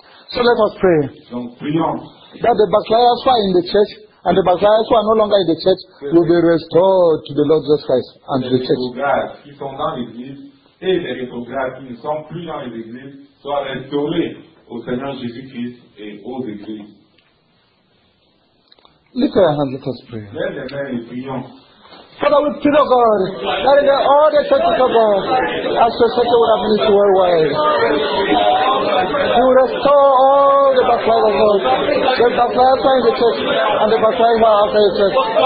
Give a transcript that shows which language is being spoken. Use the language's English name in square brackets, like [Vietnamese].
[English] So let us pray. [French] Donc, prions. [English] That the backsliders who are in the church and the backsliders who are no longer in the church will be restored to the Lord Jesus Christ and to the church. [French] Les rétrogrades qui sont dans l'église et les rétrogrades qui ne sont plus dans l'église soient restaurés au Seigneur Jésus-Christ et aux églises. [English] Lift your hand, let us pray. [French] Prions. [English] Father, we pray, O God, that in all the churches of God, as your sector would have reached worldwide, you restore all the backsliders of God. The backsliders are in the church, and the backsliders are outside the church.